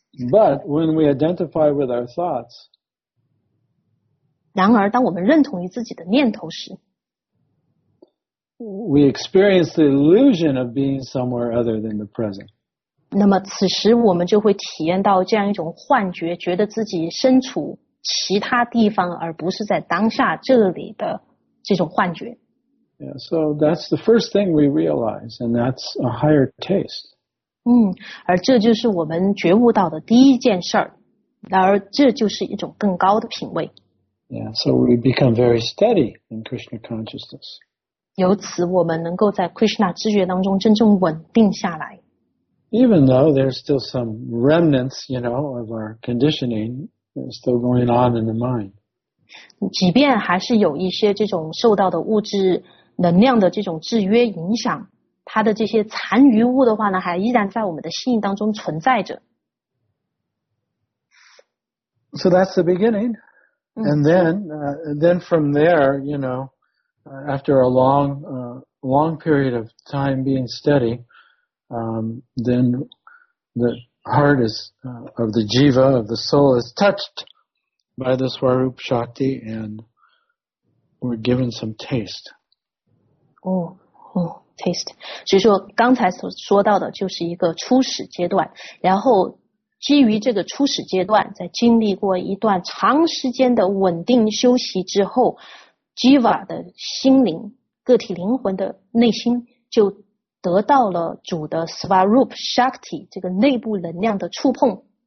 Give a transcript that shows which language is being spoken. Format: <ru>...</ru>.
<en>But when we identify with our thoughts,</en> <zh>然而当我们认同于自己的念头时，</zh> <en>we experience the illusion of being somewhere other than the present.</en> <zh>那么此时我们就会体验到这样一种幻觉，觉得自己身处其他地方而不是在当下这里的这种幻觉。</zh> <en>Yeah, so that's the first thing we realize, and that's a higher taste.</en> <zh>而这就是我们觉悟到的第一件事儿，然而这就是一种更高的品位。</zh> <en>Yeah, so we become very steady in Krishna consciousness.</en> <zh>由此我们能够在 Krishna 知觉当中真正稳定下来。</zh> <en>Even though there's still some remnants, you know, of our conditioning still going on in the mind.</en> <zh>即便还是有一些这种受到的物质能量的这种制约影响，它的这些残余物的话呢，还依然在我们的心当中存在着。</zh> <en>So that's the beginning. And then from there, you know, after a long period of time being steady, then the heart is, of the jiva, of the soul, is touched by the Swarup Shakti and we're given some taste. Taste.</en> <zh>所以说刚才所说到的就是一个初始阶段，然后基于这个初始阶段，在经历过一段长时间的稳定休息之后， Jiva 的心灵，个体灵魂的内心就得到了主的 Swarup Shakti 这个内部能量的触碰。</zh>